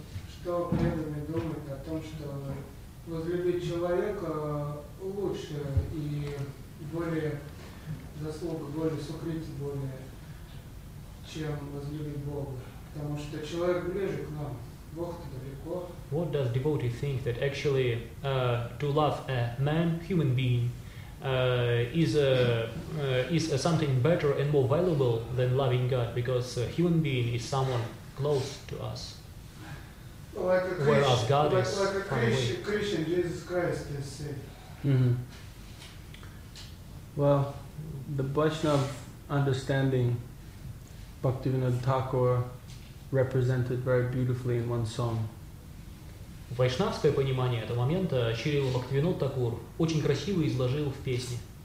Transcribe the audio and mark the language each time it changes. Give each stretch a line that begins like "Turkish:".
Russian: Что преданный думает о том, что возлюбить человека лучше и более заслуга, более сокрытие, более, чем возлюбить Бога? Потому что человек ближе к нам, Бог-то далеко.
English: What does devotee think that actually to love a man, human being, is something better and more valuable than loving God, because a human being is someone close to us, whereas God is far away. Christian, Jesus Christ is safe. Mm-hmm. Well, the Vaishnav understanding Bhaktivinoda Thakur represented very beautifully in one song.
Russian: Вайшнавское понимание этого момента Шрила Бхактивинода Такур очень красиво изложил в песне.